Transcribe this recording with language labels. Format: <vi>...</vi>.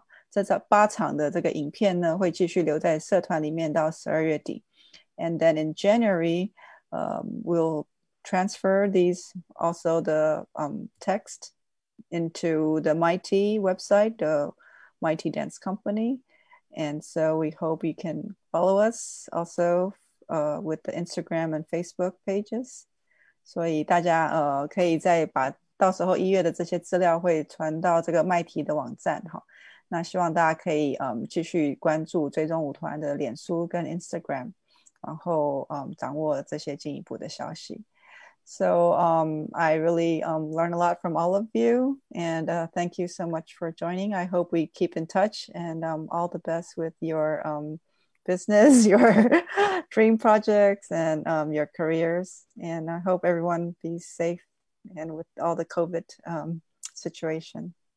<zh>这八场的这个影片呢, 会继续留在社团里面到12月底.</zh> <en>And then in January, we'll transfer these, also the text, into the MITI website, the MITI Dance Company. And so we hope you can follow us also with the Instagram and Facebook pages.</en> <zh>所以大家 可以再把到时候1月的这些资料会传到这个麦提的网站，那希望大家可以 继续关注追踪舞团的脸书跟Instagram， 然后 掌握这些进一步的消息。</zh> <en>So I really learned a lot from all of you, and thank you so much for joining. I hope we keep in touch, and all the best with your business, your dream projects, and your careers. And I hope everyone be safe and with all the COVID situation.</en>